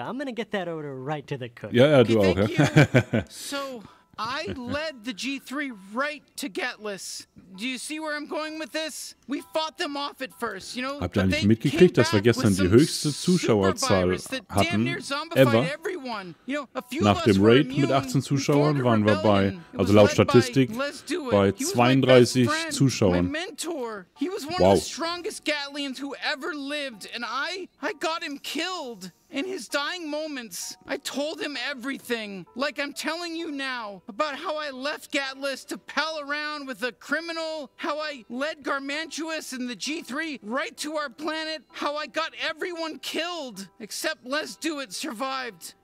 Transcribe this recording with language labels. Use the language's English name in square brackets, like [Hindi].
[English] I'm gonna get that order right to the cook. [German] Ja, ja, du auch, ja. [English] So, I led the G3 right to Getlis. Do you see where I'm going with this? We fought them off at first, you know? [German] Habt ihr eigentlich mitgekriegt, dass wir gestern die höchste Zuschauerzahl hatten, ever? Nach dem Raid mit 18 Zuschauern waren wir bei, also laut Statistik, bei 32 Zuschauern. [English] He was one of the strongest Gatlians who ever lived, and I got him killed. In his dying moments, I told him everything, like I'm telling you now, about how I left Gatlis to pal around with a criminal, how I led Garmantuous and the G3 right to our planet, how I got everyone killed, except Les Dewitt survived.